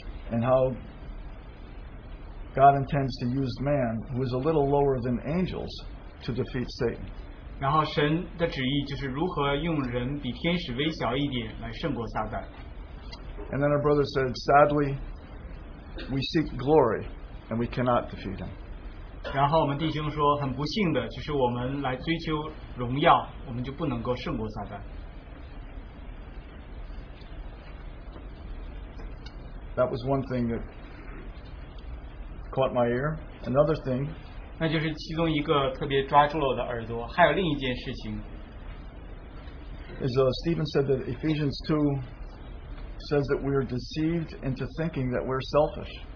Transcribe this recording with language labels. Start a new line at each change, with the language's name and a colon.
English: And how God intends to use man, who is a little lower than angels, to defeat Satan.
Chinese: 然后神的旨意就是如何用人比天使微小一点来胜过撒旦。
English: And then our brother said, sadly, we seek glory, and we cannot defeat him.
Chinese: 然后我们弟兄说，很不幸的，就是我们来追求荣耀，我们就不能够胜过撒旦。
English: That was one thing that caught my ear. Another thing.
Chinese: 那就是其中一个特别抓住了我的耳朵，还有另一件事情。
English: Is Stephen said that Ephesians 2 says that we are deceived into thinking that we're selfish.